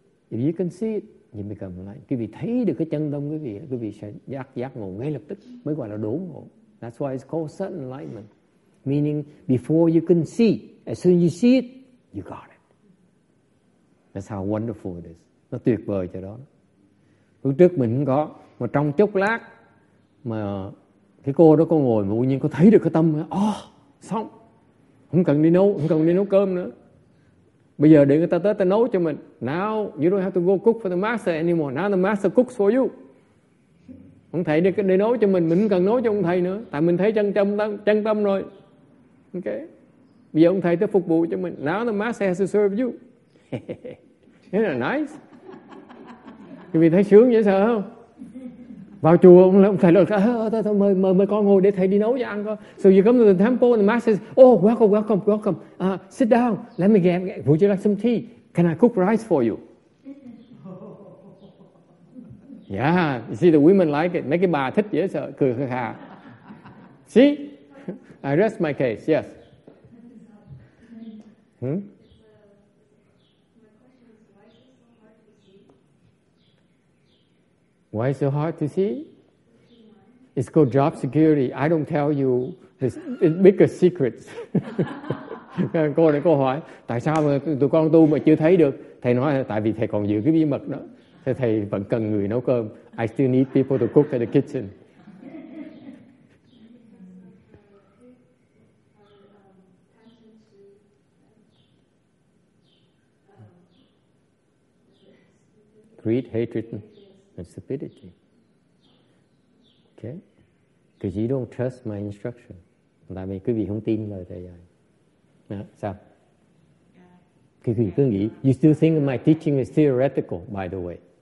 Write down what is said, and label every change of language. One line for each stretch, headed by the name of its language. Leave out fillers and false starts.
English: If you can see it, you become enlightened.
Vietnamese: Quý vị thấy được cái chân tâm quý vị sẽ giác ngộ ngay lập tức. Mới gọi là đố ngộ.
English: That's why it's called sudden enlightenment. Meaning, before you can see, as soon as you see it, you got it. That's how wonderful it is.
Vietnamese: Nó tuyệt vời cho đó. Lúc trước mình không có, mà trong chốc lát, mà cái cô đó có ngồi, mà tự nhiên có thấy được cái tâm, xong. Không cần đi nấu cơm nữa. Bây giờ để người ta tới, ta nấu cho mình.
English: Now, you don't have to go cook for the master anymore. Now the master cooks for you.
Vietnamese: Ông thầy để nấu cho mình không cần nấu cho ông thầy nữa. Tại mình thấy chân tâm rồi. Okay. Bây giờ ông thầy tới phục vụ cho mình.
English: Now the master has to serve you. Isn't that nice?
Vietnamese: Quý vị thấy sướng dễ sợ không? Vào chùa ông thầy nói, mời con ngồi để thầy đi nấu cho ăn con.
English: So you come to the temple and the master says, oh, welcome. Sit down. Let me get, would you like some tea? Can I cook rice for you? Yeah, you see the women like it.
Vietnamese: Mấy cái bà thích dễ sợ, cười khà.
English: See? I rest my case, yes. Why is it so hard to see? It's called job security. I don't tell you the biggest secrets.
Vietnamese: Cô này cô hỏi tại sao mà tụi con tu mà chưa thấy được? Thầy nói tại vì thầy còn giữ cái bí mật đó. Thế thầy vẫn cần người nấu cơm.
English: I still need people to cook at the kitchen. Greed, hatred, and stupidity. Okay? Because you don't trust my instruction.
Vietnamese: Tại vì quý vị không tin lời thầy dạy. Sao? Quý vị cứ nghĩ,
English: you still think my teaching is theoretical, by the way.